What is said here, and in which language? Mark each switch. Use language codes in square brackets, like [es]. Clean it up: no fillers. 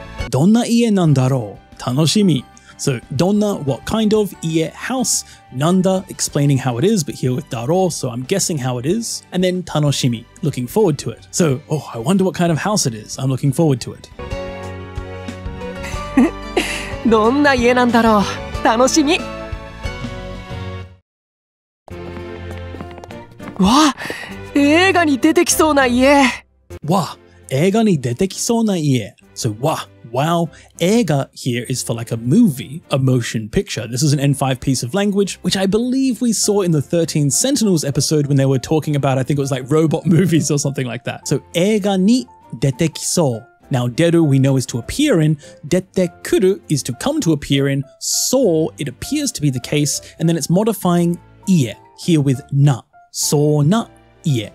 [ja] どんな家なんだろう?楽しみ! [en] So, donna, what kind of, 家, house, nanda, explaining how it is, but here with daro, so I'm guessing how it is, and then 楽しみ, looking forward to it. So, oh, I wonder what kind of house it is, I'm looking forward to it. [ja] どんな家なんだろう?楽しみ! わ!映画に出てきそうな家! わ!映画に出てきそうな家! [en] So, wow, Ega here is for like a movie, a motion picture. This is an N5 piece of language, which I believe we saw in the 13 Sentinels episode when they were talking about, I think it was like robot movies or something like that. So, [ja] Ega ni detekisou. [en] Now, deru we know is to appear in, detekuru is to come to appear in, so it appears to be the case, and then it's modifying ie here with na, so na ie.